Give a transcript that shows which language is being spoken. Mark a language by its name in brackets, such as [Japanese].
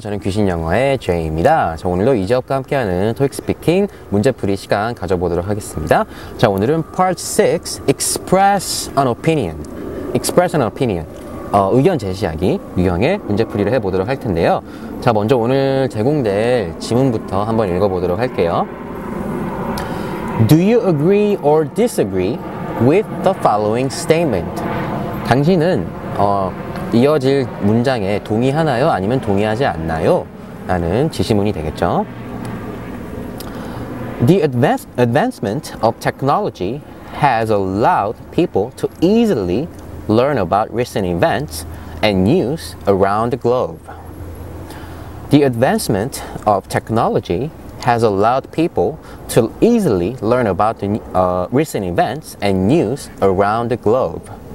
[Korean] 저는 귀신 영어의 제이입니다. 자, 오늘도 이재업과 함께하는 토익 스피킹 문제풀이 시간 가져보도록 하겠습니다. 자, 오늘은 [English] part 6, express an opinion. express an opinion. [Korean] 의견 제시하기 유형의 문제풀이를 해보도록 할 텐데요. 자, 먼저 오늘 제공될 지문부터 한번 읽어보도록 할게요. [English] Do you agree or disagree with the following statement? [Korean] 당신은 이어질 문장에 동의하나요? 아니면 동의하지 않나요? 라는 지시문이 되겠죠. [English] The advancement of technology has allowed people to easily learn about recent events and news around the globe. The advancement of technology has allowed people to easily learn about the recent events and news around the globe.